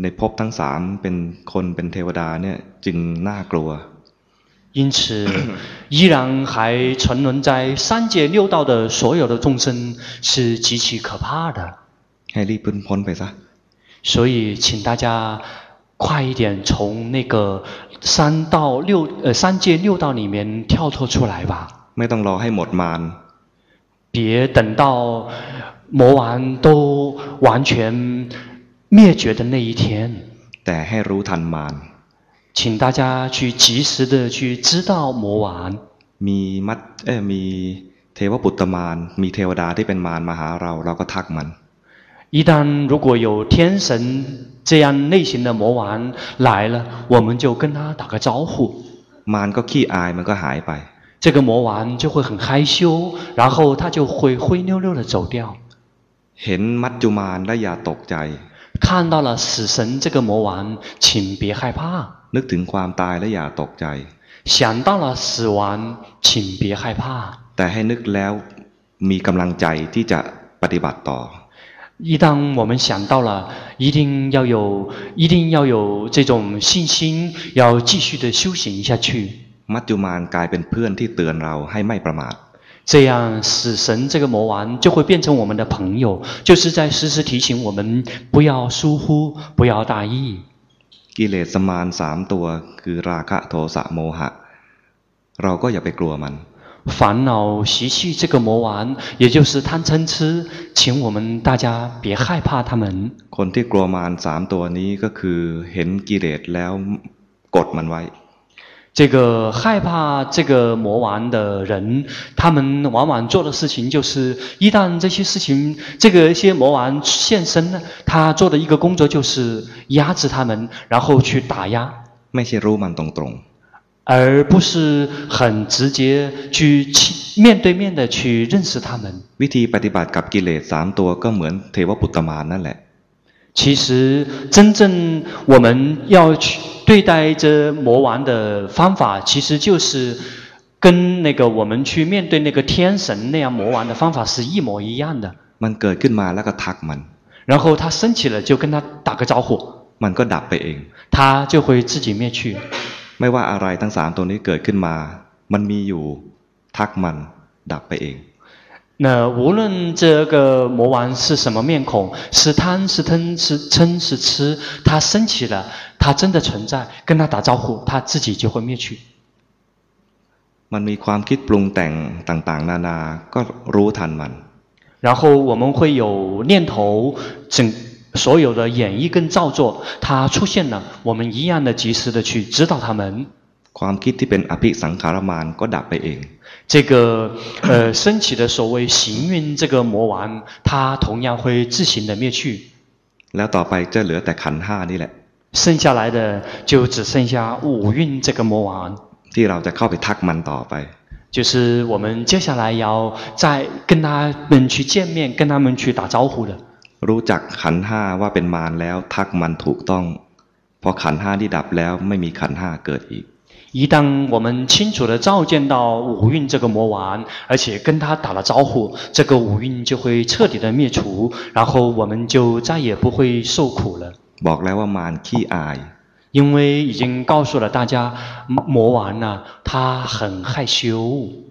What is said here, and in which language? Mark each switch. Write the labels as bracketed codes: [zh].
[th] ในภพทั้งสามเป็นคนเป็นเทวดาเนี่ยจึงน่ากลัว [zh] 因此依然还沉沦在三界六道的所有的众生是极其可怕的 [th] ให้รีบพ้นไปซะ [zh] 所以请大家快一点从那个三道六三界六道里面跳脱出来吧 [th] ไม่ต้องรอให้หมดมาร [zh] 别等到魔王都完全灭绝的那一天 [th] แต่ให้รู้ทันมาร [zh] 请大家去及时的去知道魔王 [th] มีมัดมีเทวปุตตมารมีเทวดาที่เป็นมารมาหาเราเราก็ทักมัน [zh] 一旦如果有天神这样类型的魔王来了我们就跟他打个招呼 [th] มารก็ขี้อายมันก็หายไป [zh] 这个魔王就会很害羞然后他就会灰溜溜的走掉 [th] เห็นมัจจุมารแล้วอย่าตกใจ [zh] 看到了死神这个魔王请别害怕 [th] นึกถึงความตายแล้วอย่าตกใจ [zh] 想到了死亡请别害怕 [th] แต่ให้นึกแล้วมีกำลังใจที่จะปฏิบัติต่อ [zh] 一旦我们想到了一定要有这种信心要继续的修行下去 [th] มัจจุมารกลายเป็นเพื่อนที่เตือนเราให้ไม่ประมาท [zh] 这样死神这个魔王就会变成我们的朋友就是在时时提醒我们不要疏忽不要大意 [th] กิเลสมาร3ตัวคือราคะโทสะโมหะเราก็อย่าไปกลัวมัน [zh] 烦恼习气这个魔王也就是贪嗔痴请我们大家别害怕他们 [th] คนที่กลัวมาร3ตัวนี้ก็คือเห็นกิเลสแล้วกดมันไว้ [zh] 这个害怕这个魔王的人他们往往做的事情就是一旦这些事情这个一些魔王现身呢他做的一个工作就是压制他们然后去打压 [th] ไม่ใช่รู้มันตรงตรง [zh] 而不是很直接去面对面的去认识他们 [th] วิธีปฏิบัติกับกิเลส3ตัวก็เหมือนเทวปุตตมารนั่นแหละ [zh] 其实真正我们要去对待这魔王的方法其实就是跟那个我们去面对那个天神那样魔王的方法是一模一样的 [th] มันเกิดขึ้นมาแล้วก็ทักมัน [zh] 然后他升起了就跟他打个招呼 [th] มันก็ดับไปเอง [zh] 他就会自己灭去 [th] ไม่ว่าอะไรทั้ง3ตัวนี้เกิดขึ้นมามันมีอยู่ทักมันดับไปเอง [zh] นะ无论这个魔王是什么面孔是贪是嗔是嗔是痴他升起了他真的存在跟他打招呼他自己就会灭去 [th] มันมีความคิดปรุงแต่งต่างๆนานาก็รู้ทันมัน [zh] 然后我们会有念头整所有的演绎跟造作它出现了我们一样的及时的去指导他们 [th] ความคิดที่เป็นอภิสังขารมานก็ดับไปเอง [zh] 这个升起的所谓行运这个魔王他同样会自行的灭去 [th] แล้วต่อไปจะเหลือแต่ขันธ์5นี่แหละ [zh] 剩下来的就只剩下五蕴这个魔王 [th] ที่เราจะเข้าไปทักมันต่อไป [zh] 就是我们接下来要再跟他们去见面跟他们去打招呼的 [th] รู้จักขันธ์5ว่าเป็นมารแล้วทักมันถูกต้องพอขันธ์5ที่ดับแล้วไม่มีขันธ์5เกิดอีก [zh] 一旦我们清楚地照见到五蕴这个魔王而且跟他打了招呼这个五蕴就会彻底的灭除然后我们就再也不会受苦了 [th] บอกแล้วว่ามารขี้อาย [zh] 因为已经告诉了大家魔王呢他很害羞